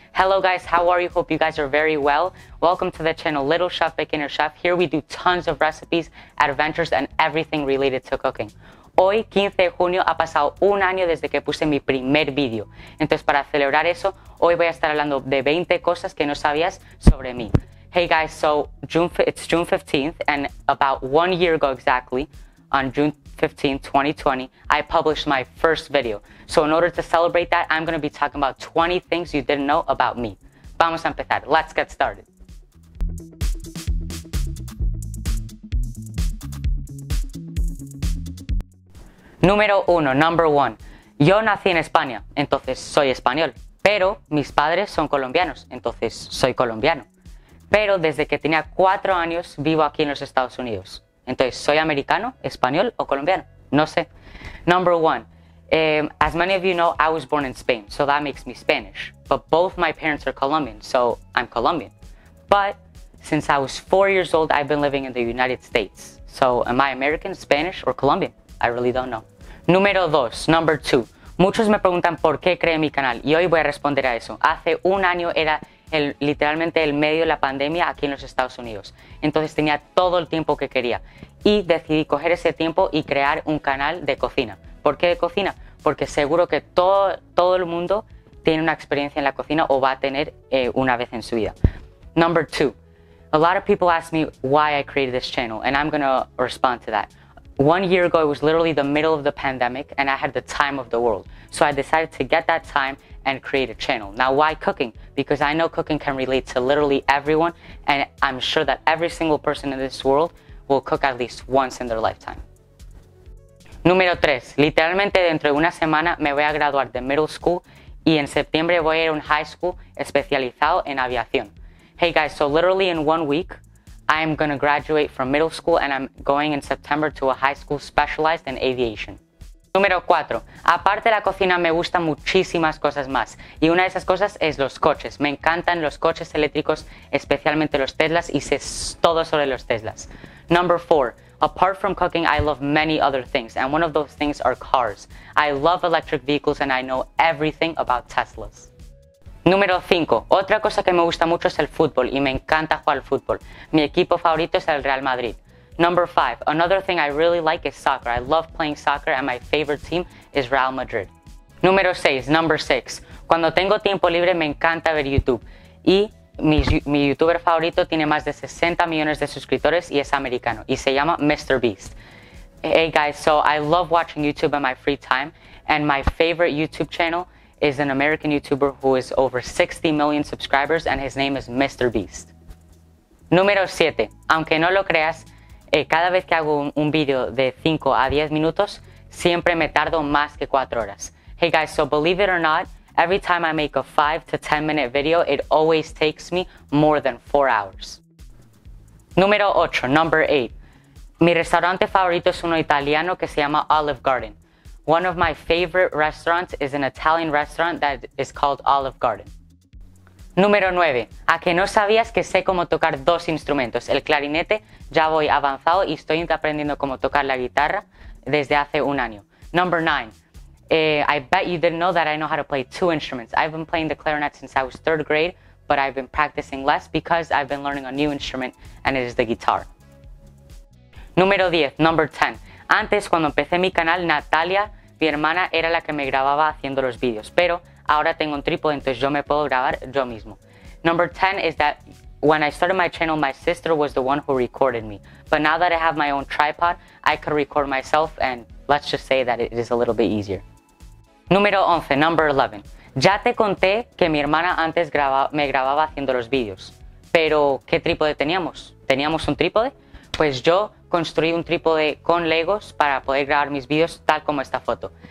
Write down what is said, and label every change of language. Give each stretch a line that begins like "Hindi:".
English: Hello guys, how are you? Hope you guys are very well. Welcome to the channel Little Chef Pequeño Chef. Here we do tons of recipes, adventures and everything related to cooking.
Spanish: Hoy, 15 de junio, ha pasado un año desde que puse mi primer vídeo. Entonces, para celebrar eso, hoy voy a estar hablando de 20 cosas que no sabías sobre mí.
English: Hey guys, so it's June 15th, and about 1 year ago exactly, on June 15th, 2020, I published my first video. So in order to celebrate that, I'm going to be talking about 20 things you didn't know about me.
Spanish: Vamos a empezar.
English: Let's get started. Number one.
Spanish: Yo nací en España, entonces soy español. Pero mis padres son colombianos, entonces soy colombiano. Pero desde que tenía 4 años vivo aquí en los Estados Unidos. Entonces, ¿soy americano, español o colombiano? No sé.
English: Number one. As many of you know, I was born in Spain, so that makes me Spanish. But both my parents are Colombian, so I'm Colombian. But since I was 4 years old, I've been living in the United States. So am I American, Spanish or Colombian? I really don't know. Number two.
Spanish: Muchos me preguntan por qué creé mi canal y hoy voy a responder a eso. Hace un año era literalmente el medio de la pandemia aquí en los Estados Unidos. Entonces tenía todo el tiempo que quería y decidí coger ese tiempo y crear un canal de cocina. ¿Por qué de cocina? Porque seguro que todo el mundo tiene una experiencia en la cocina o va a tener una vez en su vida.
English: Number two. A lot of people ask me why I created this channel and I'm gonna respond to that. 1 year ago, it was literally the middle of the pandemic and I had the time of the world. So I decided to get that time and create a channel. Now, why cooking? Because I know cooking can relate to literally everyone and I'm sure that every single person in this world will cook at least once in their lifetime.
Spanish: Número 3. Literalmente dentro de una semana me voy a graduar de middle school y en septiembre voy a ir a un high school especializado en aviación.
English: Hey guys, so literally in 1 week, I'm going to graduate from middle school and I'm going in September to a high school specialized in aviation.
Spanish: Número 4. Aparte de la cocina, me gustan muchísimas cosas más. Y una de esas cosas es los coches. Me encantan los coches eléctricos, especialmente los Teslas, y sé todo sobre los Teslas.
English: Number 4. Apart from cooking, I love many other things, and one of those things are cars. I love electric vehicles and I know everything about Teslas.
Spanish: Número 5. Otra cosa que me gusta mucho es el fútbol y me encanta jugar al fútbol. Mi equipo favorito es el Real Madrid.
English: Number 5. Another thing I really like is soccer. I love playing soccer and my favorite team is Real Madrid. Number 6.
Spanish: Cuando tengo tiempo libre me encanta ver YouTube. Y mi youtuber favorito tiene más de 60 millones de suscriptores y es americano. Y se llama MrBeast.
English: Hey guys, so I love watching YouTube in my free time and my favorite YouTube channel is an American YouTuber who is over 60 million subscribers and his name is MrBeast.
Spanish: Número 7. Aunque no lo creas, cada vez que hago un video de 5 a 10 minutos, siempre me tardo más que 4 horas.
English: Hey guys, so believe it or not, every time I make a 5 to 10 minute video, it always takes me more than 4 hours.
Spanish: Número 8.
English: Number 8.
Spanish: Mi restaurante favorito es uno italiano que se llama Olive Garden.
English: One of my favorite restaurants is an Italian restaurant that is called Olive Garden.
Spanish: Número 9. A que no sabías que sé cómo tocar 2 instrumentos. El clarinete, ya voy avanzado y estoy aprendiendo cómo tocar la guitarra desde hace un año.
English: Number 9. I bet you didn't know that I know how to play 2 instruments. I've been playing the clarinet since I was 3rd grade, but I've been practicing less because I've been learning a new instrument and it is the guitar.
Spanish: Número 10.
English: Number 10.
Spanish: Antes, cuando empecé mi canal, Natalia, mi hermana, era la que me grababa haciendo los vídeos, pero ahora tengo un trípode, entonces yo me puedo grabar yo mismo.
English: Number 10 is that when I started my channel, my sister was the one who recorded me. But now that I have my own tripod, I could record myself and let's just say that it is a little bit easier.
Spanish: Número 11,
English: number 11.
Spanish: Ya te conté que mi hermana antes me grababa haciendo los vídeos, pero ¿qué trípode teníamos? ¿Teníamos un trípode? Pues yo construí un trípode con Legos para poder grabar mis videos tal como esta foto.